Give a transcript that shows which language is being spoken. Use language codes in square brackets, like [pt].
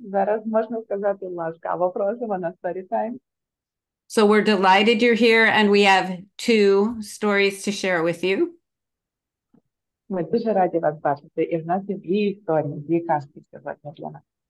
[uk] Зараз можна сказати ласкаво, просимо на сторітайм. [en] So we're delighted you're here and we have two stories to share with you. [uk] Ми дуже раді вас бачити, і в нас є дві історії, дві казки сьогодні для нас.